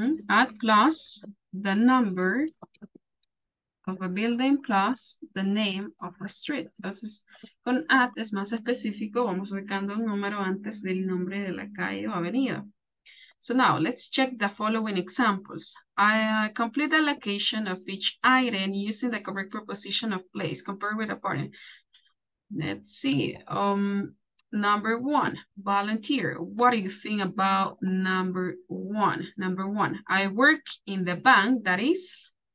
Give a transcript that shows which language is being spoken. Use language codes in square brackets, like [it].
[en] At plus the number of a building plus the name of a street. [es] Entonces, con at es más específico, vamos ubicando un número antes del nombre de la calle o avenida. [en] So now, let's check the following examples. I complete the location of each item using the correct preposition of place, compared with a partner. Let's see. Number one, volunteer. What do you think about number one? Number one, I work in the bank, that is?